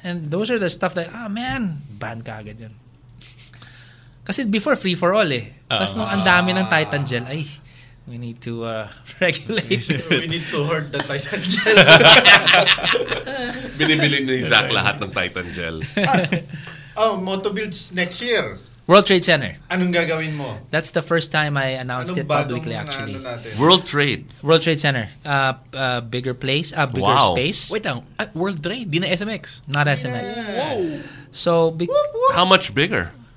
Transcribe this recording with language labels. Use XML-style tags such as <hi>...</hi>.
<en>And those are the stuff that, man,</en> <tl>ban ka agad yun.</tl> <en>Kasi before, free for all eh.</en> <tl>Tapos nung ang dami ng</tl> <en>Titan gel, ay, we need to regulate this. We need to hoard the Titan gel.</en> <tl>Binibili ni Zach lahat ng Titan gel.</tl> <en>Motobuilds next year. World Trade Center.</en> <tl>Anong gagawin mo?</tl> <en>That's the first time I announced it publicly, actually. World Trade. World Trade Center. Bigger place, bigger space. Wait lang. World Trade?</en> <tl>Di na</tl> <en>SMX? Not SMX. Yeah. Whoa. So, how much bigger?</en>